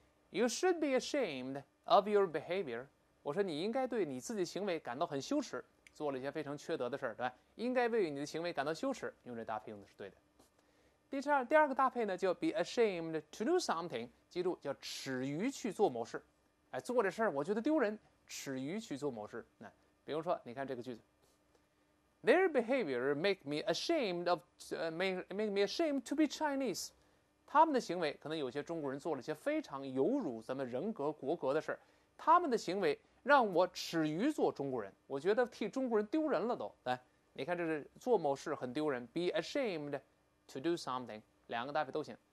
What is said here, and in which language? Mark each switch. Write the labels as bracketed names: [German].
[English] You should be ashamed of your behavior. [Chinese] 我说你应该对你自己的行为感到很羞耻，做了一些非常缺德的事，对吧？应该为你的行为感到羞耻，用这搭配用的是对的。第二个搭配呢，就 be ashamed to do something. 记住，叫耻于去做某事。哎，做这事儿我觉得丢人，耻于去做某事。 [English] 那比如说，你看这个句子，Their behavior make me ashamed to be Chinese. [Chinese] 他们的行为可能有些中国人做了一些非常有辱咱们人格国格的事，他们的行为让我耻于做中国人，我觉得替中国人丢人了都。来，你看这是做某事很丢人 ， be ashamed to do something，两个搭配都行。